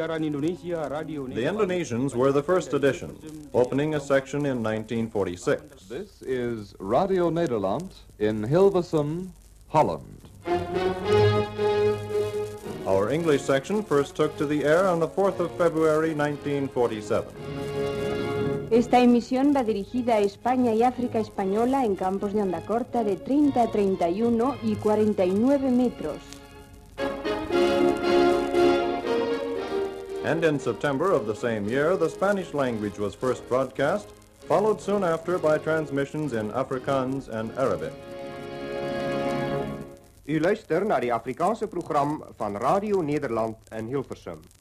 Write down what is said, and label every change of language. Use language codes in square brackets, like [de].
[en] The Indonesians were the first edition, opening a section in 1946. This is Radio Nederland in Hilversum, Holland. Our English section first took to the air on the 4th of February, 1947. [es] Esta emisión va dirigida a España y África Española en campos de onda corta de 30, 31 y 49 metros. [en] And in September of the same year, the Spanish language was first broadcast, followed soon after by transmissions in Afrikaans and Arabic. [af] U luistert naar het Afrikaanse programma van Radio Nederland en Hilversum.